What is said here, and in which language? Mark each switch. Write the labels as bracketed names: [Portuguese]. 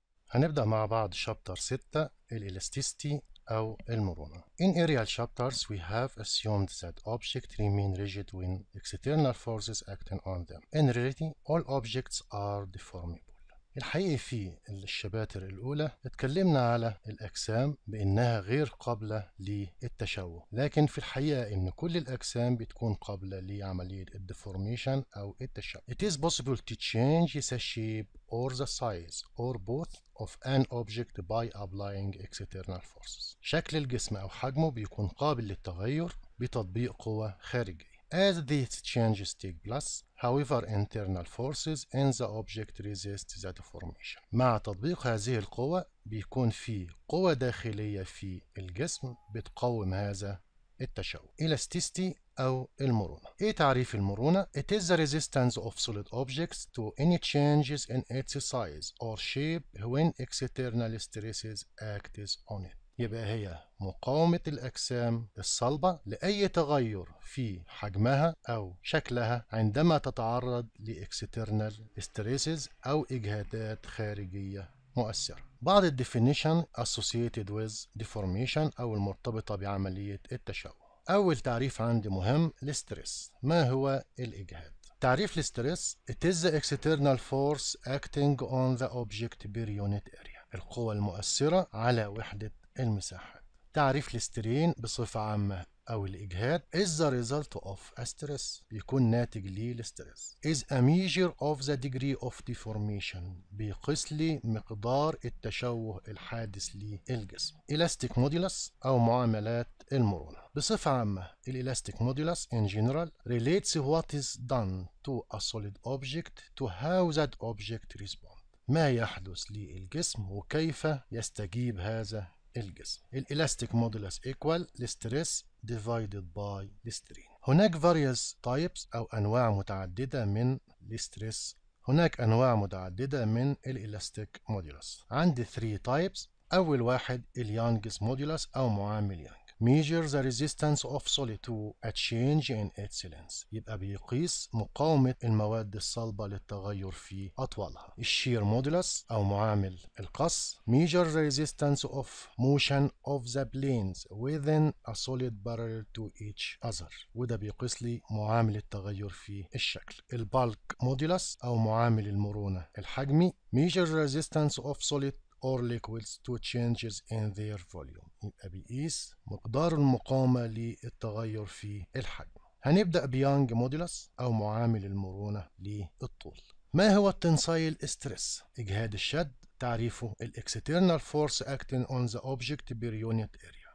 [Arabic] هنبدأ مع بعض شابتر 6 الإلاستيستي أو المرونة. [English] In aerial chapters we have assumed that objects remain rigid when external forces acting on them. In reality all objects are deformable. [Arabic] الحقيقة في الشباتر الأولى اتكلمنا على الأجسام بأنها غير قابلة للتشوه، لكن في الحقيقة أن كل الأجسام بتكون قابلة لعملية الديفورميشن أو التشوه. [English] It is possible to change its shape or the size or both of an object by applying external forces. [Arabic] شكل الجسم أو حجمه بيكون قابل للتغير بتطبيق قوة خارجية. [English] As these changes take place, however, internal forces in the object resist the deformation. [Arabic] مع تطبيق هذه القوة بيكون في قوة داخلية في الجسم بتقوم هذا التشوه. [English] Elasticity [Arabic] أو المرونة. إيه تعريف المرونة؟ [English] It is the resistance of solid objects to any changes in its size or shape when external stresses act on it. [Arabic] يبقى هي مقاومة الأجسام الصلبة لأي تغير في حجمها أو شكلها عندما تتعرض لـ [English] external stresses [Arabic] أو إجهادات خارجية مؤثرة. بعض الـ [English] definition associated with deformation [Arabic] أو المرتبطة بعملية التشوه. أول تعريف عندي مهم الاسترس. ما هو الإجهاد؟ تعريف الاسترس: [English] It is the external force acting on the object per unit area. [Arabic] القوة المؤثرة على وحدة المساحة. تعريف الاسترين بصفة عامة أو الإجهاد: [English] Is the result of a stress. [Arabic] بيكون ناتج لي الاسترس. [English] Is a measure of the degree of deformation. [Arabic] بيقيس لي مقدار التشوه الحادث للجسم. Elastic modulus أو معاملات المرونة. بصفة عامة الإلاستيك مودولس [English] in general relates what is done to a solid object to how that object responds. [Arabic] ما يحدث للجسم وكيف يستجيب هذا الجسم. الإلاستيك مودولس equal لستريس [English] divided by [Arabic] لسترين. هناك [English] various types [Arabic] أو أنواع متعددة من لستريس. هناك أنواع متعددة من الإلاستيك مودولس. عندي 3 types. أول واحد اليانجس مودولس أو معامل يانج. [English] Measure the resistance of solid to a change in its length. [Arabic] يبقى بيقيس مقاومة المواد الصلبة للتغير في أطوالها. Shear modulus أو معامل القص. [English] Measure the resistance of motion of the planes within a solid parallel to each other. [Arabic] وده بيقيس لي معامل التغير في الشكل. Bulk modulus أو معامل المرونة الحجمي. [English] Measure the resistance of solid or liquids to changes in their volume. [Arabic] يبقى بيقيس مقدار المقاومة للتغير في الحجم. هنبدأ بيانج مودولس أو معامل المرونة للطول. ما هو التنسايل استرس؟ إجهاد الشد. تعريفه: [English] الإكسترنال force acting on the object per unit area.